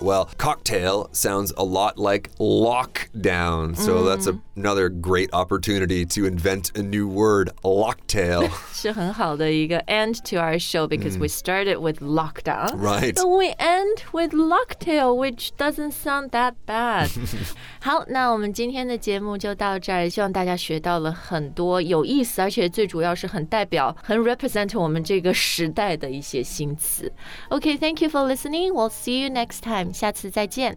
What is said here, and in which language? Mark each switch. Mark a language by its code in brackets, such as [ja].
[en] Well, cocktail sounds a lot like lockdown. So that's another great opportunity to invent a new word, locktail. [zh] 是很好的一个 [en] end to our show because we started with lockdown. Right. But we end with locktail, which doesn't sound that bad. [zh] 好，那我们今天的节目就到这儿，希望大家学到了很多有意思，而且最主要是很代表，很 represent 我们这个时代的一些新词。 [en] Okay, thank you for listening. We'll see you next time. [zh] 下次再见。